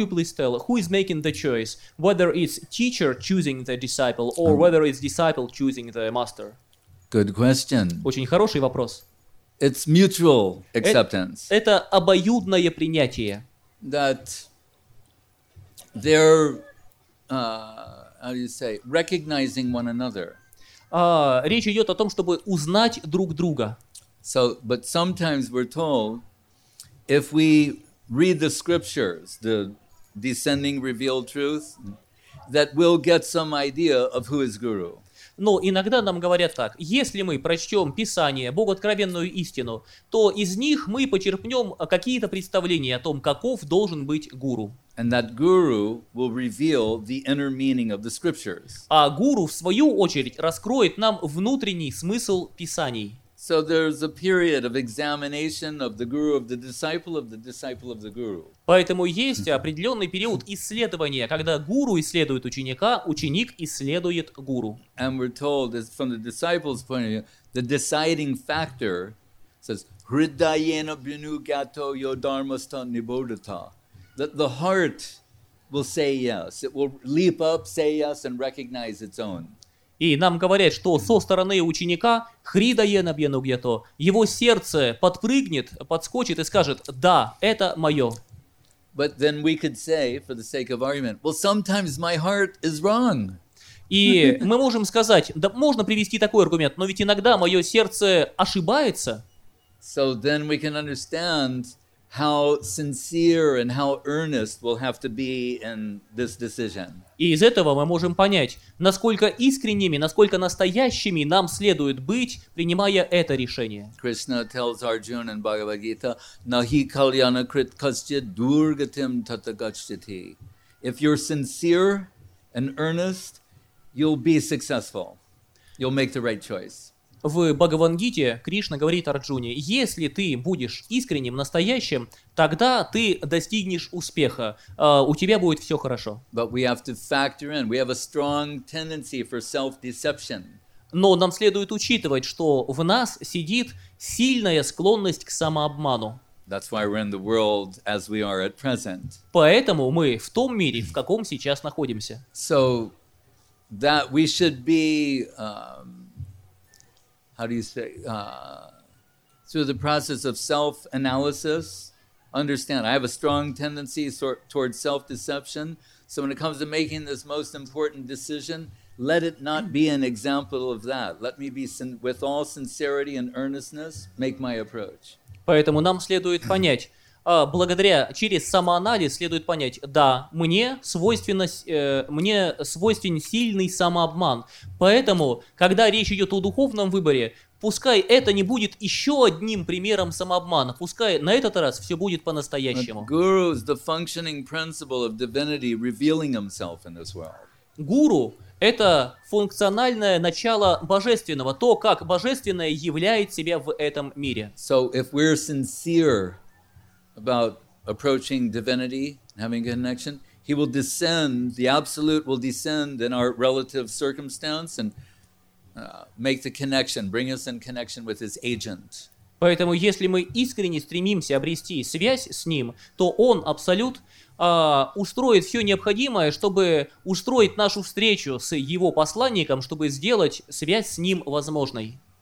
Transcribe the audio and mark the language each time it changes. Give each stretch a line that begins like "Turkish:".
English: you please tell, who is making the choice, whether it's teacher choosing the disciple or whether it's disciple choosing the master? Good question.
Russian: Очень хороший вопрос.
English: It's mutual acceptance.
Russian: Это обоюдное принятие.
English: That they're, how do you say, recognizing one another.
Russian: Речь идет о том, чтобы узнать друг друга.
English: So, but sometimes we're told, if we read the scriptures, the descending revealed truth, that we'll get some idea of who is guru.
Russian: Но иногда нам говорят так: если мы прочтем Писание, богооткровенную истину, то из них мы почерпнем какие-то представления о том, каков должен быть гуру.
English: And that guru will reveal the inner meaning of the scriptures.
Russian: А гуру, в свою очередь, раскроет нам внутренний смысл Писаний.
English: So there's a period of examination of the guru, of the disciple, of the disciple of the guru.
Russian: Поэтому есть определенный период исследования, когда гуру исследует ученика, ученик исследует гуру.
English: And we're told, from the disciple's point of view, the deciding factor says,
Sanskrit: Hridayena binu gato yo dharmasta nibodhata.
English: That the heart will say yes. It will leap up, say yes, and recognize its own.
Russian: И нам говорят, что со стороны ученика
Sanskrit: Хридаена Бьянугьято,
Russian: его сердце подпрыгнет, подскочит и скажет: да, это мое.
English: But then we could say, for the sake of argument, well, sometimes my heart is wrong.
Russian: И мы можем сказать, да, можно привести такой аргумент, но ведь иногда мое сердце ошибается.
English: So then we can understand how sincere and how earnest we'll have to be in this decision.
Russian: И из этого мы можем понять, насколько искренними, насколько настоящими нам следует быть, принимая это решение.
English: Krishna tells Arjuna in Bhagavad Gita,
Sanskrit: Nahi kalyana krit kasya durgatim tatagachyati.
English: If you're sincere and earnest, you'll be successful. You'll make the right choice.
Russian: В Бхагавангите Кришна говорит Арджуне: если ты будешь искренним, настоящим, тогда ты достигнешь успеха, у тебя будет все хорошо.
English: But we have to factor in, we have a strong tendency for self-deception.
Russian: Но нам следует учитывать, что в нас сидит сильная склонность к самообману.
English: That's why we're in the world as we are at present.
Russian: Поэтому мы в том мире, в каком сейчас находимся.
English: So that we should be... How do you say, through the process of self-analysis, understand, I have a strong tendency towards self-deception, so when it comes to making this most important decision, let it not be an example of that. Let me be, with all sincerity and earnestness, make my approach.
Russian: Поэтому нам следует понять, благодаря, через самоанализ следует понять, да, мне свойственен сильный самообман. Поэтому, когда речь идет о духовном выборе, пускай это не будет еще одним примером самообмана, пускай на этот раз все будет по-настоящему.
English: Guru is the functioning principle of divinity revealing himself in this world.
Russian: Гуру – это функциональное начало божественного, то, как божественное являет себя в этом мире.
English: So if we're sincere about approaching divinity, having a connection, he will descend, the absolute will descend in our relative circumstance and make the connection, bring us in connection with his agent.
Russian: Поэтому, если мы искренне стремимся обрести связь с ним, то он, абсолют, устроит все необходимое, чтобы устроить нашу встречу с его посланником, чтобы сделать связь с ним возможной.